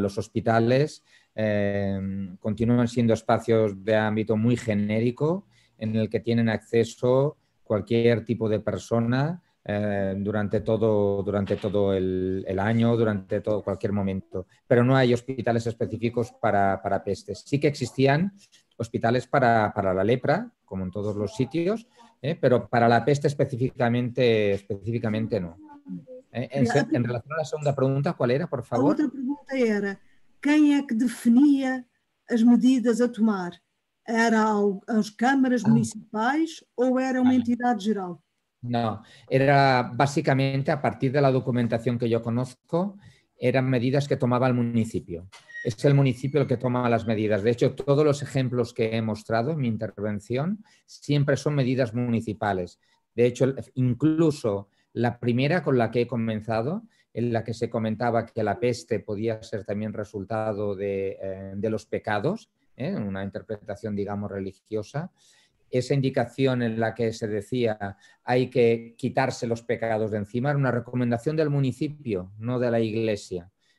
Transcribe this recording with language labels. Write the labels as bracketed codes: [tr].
[es] Los hospitales continúan siendo espacios de ámbito muy genérico en el que tienen acceso cualquier tipo de persona durante todo el año, durante todo cualquier momento. Pero no hay hospitales específicos para pestes. Sí que existían hospitales para la lepra, como en todos los sitios, pero para la peste específicamente no. [pt] Em relação à segunda pergunta, qual era, por favor? A outra pergunta era: quem é que definia as medidas a tomar? Era as câmaras municipais ou era uma entidade geral? Não, era basicamente, a partir da documentação que eu conozco, eram medidas que tomava o município. É o município que toma as medidas. [es] De hecho, [pt] todos os exemplos que [es] he mostrado [pt] em minha intervenção sempre são medidas municipais. [es] De hecho, incluso la primera con la que he comenzado, en la que se comentaba que la peste podía ser también resultado de los pecados, una interpretación, digamos, religiosa, esa indicación en la que se decía hay que quitarse los pecados de encima, era una recomendación del municipio, no de la iglesia.